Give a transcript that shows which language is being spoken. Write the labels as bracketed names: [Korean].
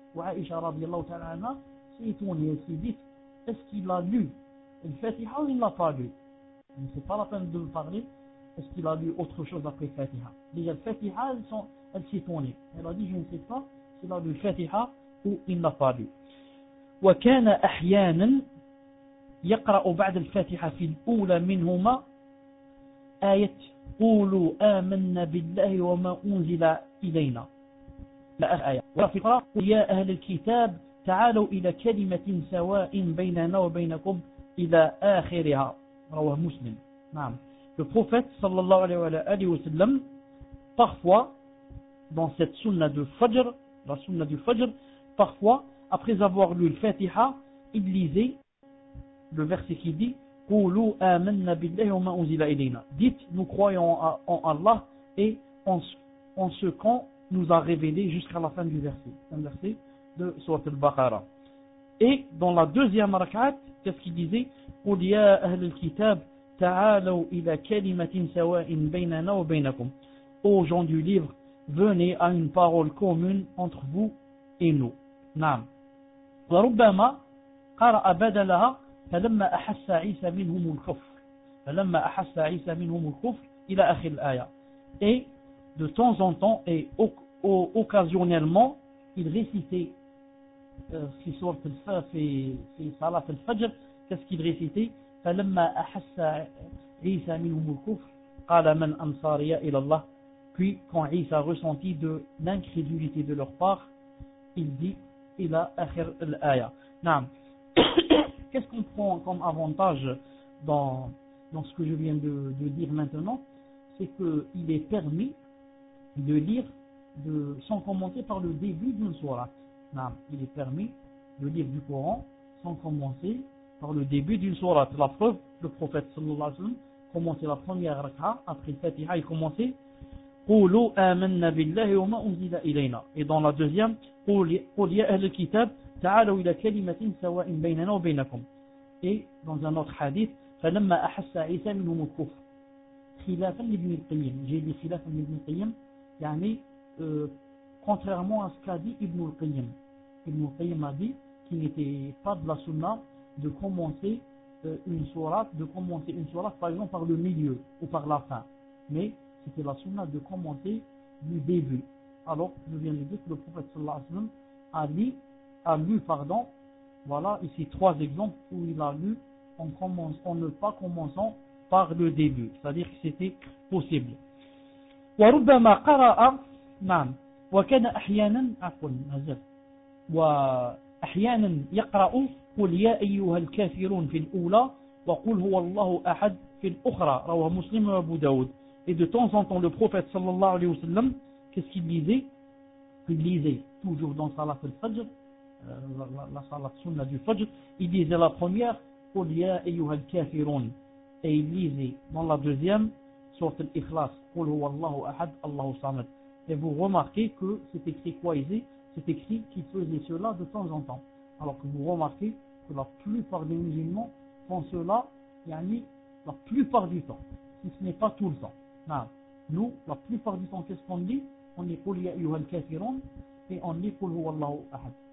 [French] Ou Aïcha radiallahu ta'ala anha s'est étonnée, elle s'est dit, est-ce qu'il a lu le Fatiha ou il ne l'a pas lu? Mais c'est pas la peine de me parler, est-ce qu'il a lu autre chose après le Fatiha? Déjà, le Fatiha, elle s'est étonnée. Elle a dit, je ne sais pas s'il a lu le Fatiha ou il ne l'a pas lu. [Arabic] Wa kana ahyanan yaqra'u ba'd al-Fatiha fi l'oula minhuma ayat قولوا آمنا بالله وما أنزل إلينا لآخر آية وفي قراءة يا أهل الكتاب تعالوا إلى كلمة سواء بيننا وبينكم إلى آخرها، رواه مسلم. نعم، [French] le prophète sallallahu alayhi wa sallam parfois dans cette sunna de Fajr, la sunna du Fajr, parfois après avoir lu le Fatiha, il lisait le verset qui dit [Arabic] قولوا آمنا بالله وما أنزل إلينا. [French] Dites, nous croyons en Allah et en ce qu'on nous a révélé jusqu'à la fin du verset. Un verset de Sourate Al-Baqara. Et dans la deuxième rak'at, qu'est-ce qu'il disait? [Arabic] قل يا أهل الكتاب تعالوا إلى كلمة سواء بيننا وبينكم. [French] Ô gens du livre, venez à une parole commune entre vous et nous. [Arabic] نعم. وربما قرأ بدلها فلما أحس عيسى منهم الكفر فلما أحس عيسى منهم الكفر إلى آخر الآية. [French] Et de temps en temps et occasionnellement, il récitait [Arabic] في صلاة الفجر. [French] Qu'est-ce qu'il récitait? [Arabic] فلما أحس عيسى منهم الكفر قال من أنصاري إلى الله. [French] Puis quand عيسى ressentit de l'incrédulité de leur part, il dit [Arabic] إلى آخر الآية. نعم. [French] Qu'est-ce qu'on prend comme avantage dans ce que je viens de dire maintenant? C'est qu'il est permis de lire sans commenter par le début d'une sourate. Non, il est permis de lire du Coran sans commenter par le début d'une sourate. La preuve, le prophète sallallahu alayhi wa sallam commençait la première raka, après le Fatiha, il commençait [Arabic] قولوا آمنا بالله وما أنزل إلينا. [French] Et dans la deuxième, [Arabic] قول يا أهل الكتاب تعالوا إلى كلمة سواء بيننا وبينكم. [French] Et dans un autre hadith, [Arabic] فلما أحس عيسى منهم الكفر خلافا لابن القيم. [French] J'ai dit [Arabic] خلافا لابن القيم, يعني [French] contrairement à ce qu'a dit Ibn al-Qayyim. Ibn al-Qayyim a dit qu'il n'était pas de la sunna de commencer une sourate par exemple par le milieu ou par la fin, mais c'était la sunna de commencer du début. Alors je viens de dire que le prophète sallallahu alayhi wa sallam a lu, voilà ici trois exemples où il a lu en ne pas commençant par le début, c'est-à-dire que c'était possible. [Arabic] وربما قرأ نعم وكان أحيانا عفوا نزل وأحيانا يقرأ قل يا أيها الكافرون في الأولى وقل هو الله أحد في الأخرى رواه مسلم وأبو داود. [French] Et de temps en temps le prophète sallallahu alayhi wa sallam, qu'est-ce qu'il lisait? Il lisait toujours dans Salat al-Fajr, la Salat Sunna du Fajr, il lisait la première, [Arabic] قل يا أيها الكافرون, [French] et il lisait dans la deuxième, Surat al-Ikhlas, [Arabic] قل هو الله أحد الله صمد. [French] Et vous remarquez que c'est écrit quoi ici? C'est écrit qu'il faisait cela de temps en temps. Alors que vous remarquez que la plupart des musulmans font cela, yani la plupart du temps, si ce n'est pas tout le temps. Non. Nous, la plupart du temps, qu'est-ce qu'on dit? On dit [Arabic] قل يا أيها الكافرون [French] et on dit [Arabic] قل هو الله أحد.